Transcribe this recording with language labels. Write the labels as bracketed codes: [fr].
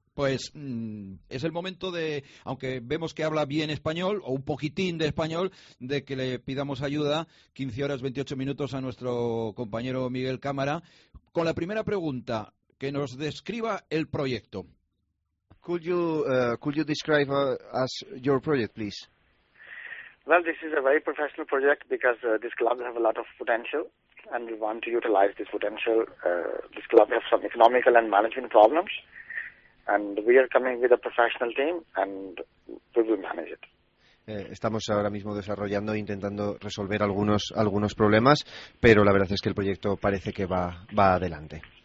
[es] Pues es el momento de, aunque vemos que habla bien español, o un poquitín de español, de que le pidamos ayuda, 15 horas 28 minutos, a nuestro compañero Miguel Cámara, con la primera pregunta, que nos describa el proyecto. [en] Could you describe us your project, please? Well, this is a very professional project because this club has a lot of potential and we want to utilize this potential. This club has some economical and management problems. And we are coming with a professional team, and we will manage it. [es] Estamos ahora mismo desarrollando e intentando resolver algunos problemas, pero la verdad es que el proyecto parece que va adelante.